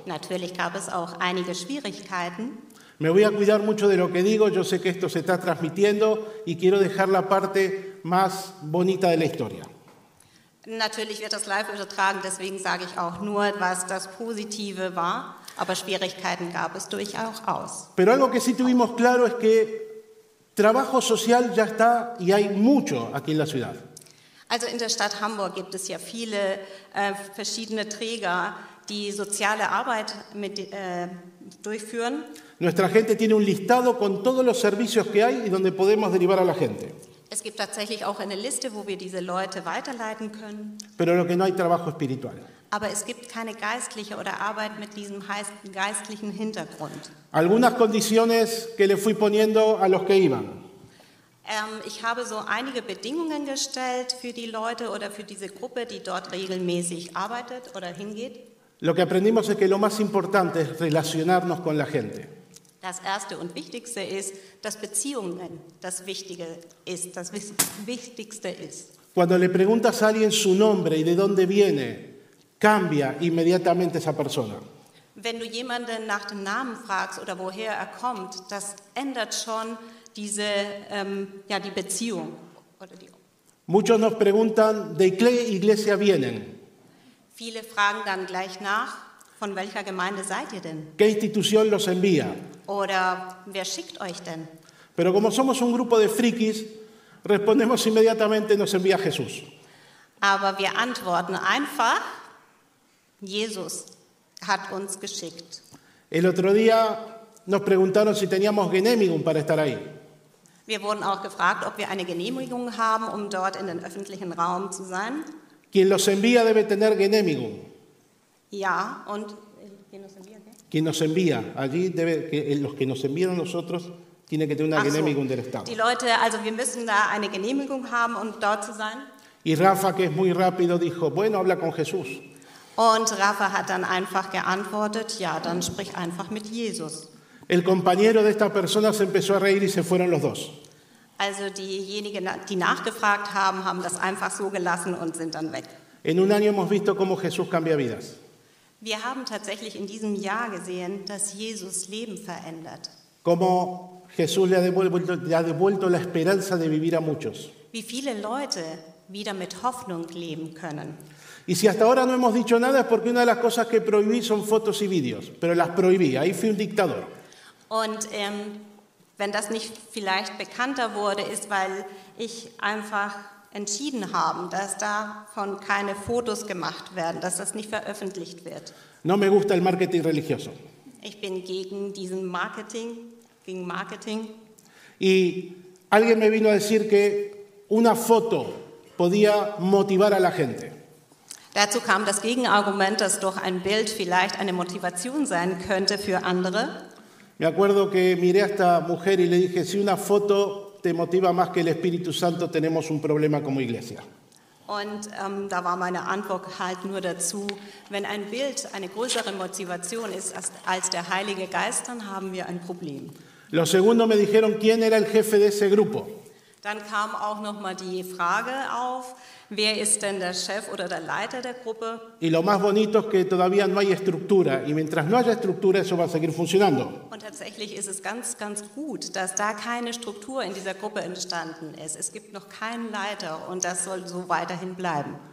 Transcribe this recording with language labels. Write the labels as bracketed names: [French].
[German] Natürlich gab es auch einige Schwierigkeiten. [Spanish] Me voy a cuidar mucho de lo que digo, yo sé que esto se está transmitiendo y quiero dejar la parte más bonita de la historia. [German] Natürlich wird das live übertragen, deswegen sage ich auch nur, was das Positive war, aber Schwierigkeiten gab es durchaus. [Spanish] Pero algo que sí tuvimos claro es que trabajo social ya está y hay mucho aquí en la ciudad. [German] Also in der Stadt Hamburg gibt es ja viele verschiedene Träger, die soziale Arbeit mit durchführen. [Spanish] Nuestra gente tiene un listado con todos los servicios que hay y donde podemos derivar a la gente. [German] Es gibt tatsächlich auch eine Liste, wo wir diese Leute weiterleiten können. [Spanish] Pero lo que no hay trabajo espiritual. [German] Aber es gibt keine geistliche oder Arbeit mit diesem heißen geistlichen Hintergrund. [Spanish] Algunas condiciones que le fui poniendo a los que iban. [German] Ich habe so einige Bedingungen gestellt für die Leute oder für diese Gruppe, die dort regelmäßig arbeitet oder hingeht. [Spanish] Lo que aprendimos es que lo más importante es relacionarnos con la gente. [German] Das erste und wichtigste ist, dass Beziehungen das Wichtige ist, das Wichtigste ist. [Spanish] Cuando le preguntas a alguien su nombre y de dónde viene, cambia inmediatamente esa persona. [German] Wenn du jemanden nach dem Namen fragst oder woher kommt, das ändert schon diese die Beziehung. [Spanish] Muchos nos preguntan de qué iglesia vienen. [German] Viele fragen dann gleich nach, von welcher Gemeinde seid ihr denn? [Spanish] ¿Qué institución los envía? [German] Oder wer schickt euch denn? [Spanish] Pero como somos un grupo de frikis, respondemos inmediatamente nos envía Jesús. [German] Aber wir antworten einfach, Jesus hat uns geschickt. [Spanish] El otro día nos preguntaron si teníamos Genehmigung para estar ahí. [German] Wir wurden auch gefragt, ob wir eine Genehmigung haben, um dort in den öffentlichen Raum zu sein. [Spanish] Quien los envía debe tener Genehmigung. [German] Ja, und [Spanish] quien nos envía, allí debe, los que nos enviaron nosotros tienen que tener una Genehmigung del Estado. [German] Die Leute, also wir müssen da eine Genehmigung haben, um dort zu sein. [Spanish] Y Rafa, que es muy rápido, dijo, bueno, habla con Jesús. [German] Und Rafa hat dann einfach geantwortet, ja, dann sprich einfach mit Jesus. [Spanish] El compañero de esta persona se empezó a reír y se fueron los dos. [German] Also diejenigen, die nachgefragt haben, haben das einfach so gelassen und sind dann weg. [Spanish] En un año hemos visto cómo Jesús cambia vidas. [German] Wir haben tatsächlich in diesem Jahr gesehen, dass Jesus Leben verändert. [Spanish] Como Jesús le ha devuelto la esperanza de vivir a muchos. [German] Wie viele Leute wieder mit Hoffnung leben können. [Spanish] Y si hasta ahora no hemos dicho nada es porque una de las cosas que prohibí son fotos y vídeos, pero las prohibí, ahí fui un dictador. [German] Und wenn das nicht vielleicht bekannter wurde, ist weil ich einfach entschieden habe, dass davon keine Fotos gemacht werden, dass das nicht veröffentlicht wird. [Spanish] No me gusta el marketing religioso. [German] Ich bin gegen diesen Marketing, gegen Marketing. [Spanish] Y alguien me vino a decir que una foto podía motivar a la gente. [German] Dazu kam das Gegenargument, dass doch ein Bild vielleicht eine Motivation sein könnte für andere. [Spanish] Me acuerdo que miré a esta mujer y le dije, si una foto te motiva más que el Espíritu Santo, tenemos un problema como iglesia. [German] Und da war meine Antwort halt nur dazu, wenn ein Bild eine größere Motivation ist als der Heilige Geist, dann haben wir ein Problem. [Spanish] Lo segundo me dijeron, ¿quién era el jefe de ese grupo? [German] Dann kam auch noch mal die Frage auf, wer ist denn der Chef oder der Leiter der Gruppe? [Spanish] Y lo más bonito es que todavía no hay estructura y mientras no haya estructura eso va a seguir funcionando. [German] Und tatsächlich ist es ganz, ganz gut, dass da keine Struktur in dieser Gruppe entstanden ist. Es gibt noch keinen Leiter und das soll so weiterhin bleiben.